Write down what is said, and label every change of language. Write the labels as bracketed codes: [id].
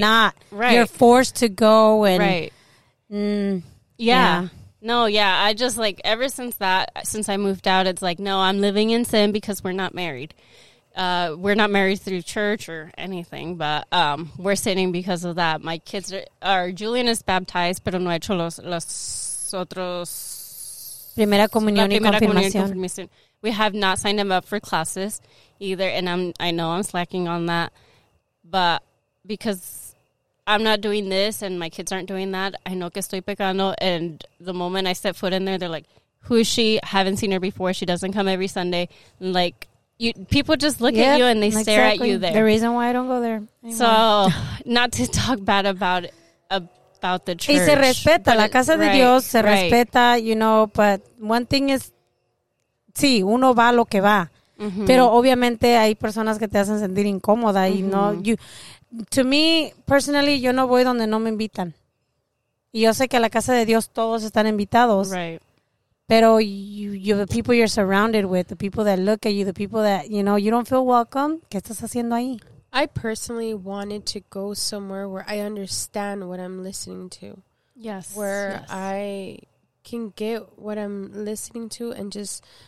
[en] Not, right. You're forced to go and. Right. I just like ever since that since I moved out it's like no I'm living in sin because we're not married through church or anything but we're sinning because of that. My kids are Julian is baptized [es] pero no ha hecho los otros primera comunión y confirmación. [en] We have not signed him up for classes either and I know I'm slacking on that but because I'm not doing this, and my kids aren't doing that. I know [es] que estoy pecando, [en] and the moment I set foot in there, they're like, who is she? Haven't seen her before. She doesn't come every Sunday. And like, people just look at you, and they exactly. stare at you there. The reason why I don't go there anymore. So, not to talk bad about the church. [es] Y se respeta. La casa de Dios se respeta, [en] you know, but one thing is, [es] sí, uno va lo que va. Mm-hmm. Pero obviamente hay personas que te hacen sentir incómoda, mm-hmm. [en] To me, personally, [es] yo no voy donde no me invitan. Y yo sé que a la casa de Dios todos están invitados. [en] Right. [es] Pero [en] you, the people you're surrounded with, the people that look at you, the people that, you know, you don't feel welcome. [es] ¿Qué estás haciendo ahí? [en] I personally wanted to go somewhere where I understand what I'm listening to. Yes. Where I can get what I'm listening to and just...